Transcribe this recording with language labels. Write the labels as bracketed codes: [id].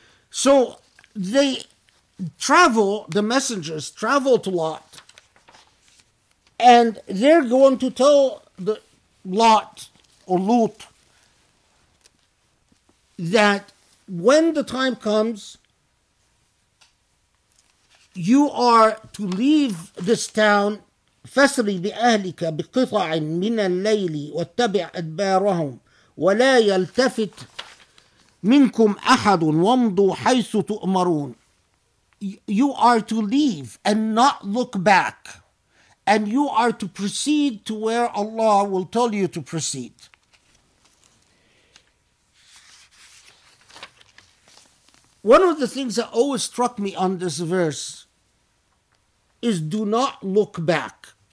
[en] So they travel, the messengers travel to Lot, and they're going to tell the Lot or Lot that when the time comes, you are to leave this town [ar] فسر بأهلك بقطع من الليل واتبع أدبارهم ولا يلتفت منكم أحد وامضوا حيث تؤمرون. [en] You are to leave and not look back, and you are to proceed to where Allah will tell you to proceed. One of the things that always struck me on this verse is do not look back.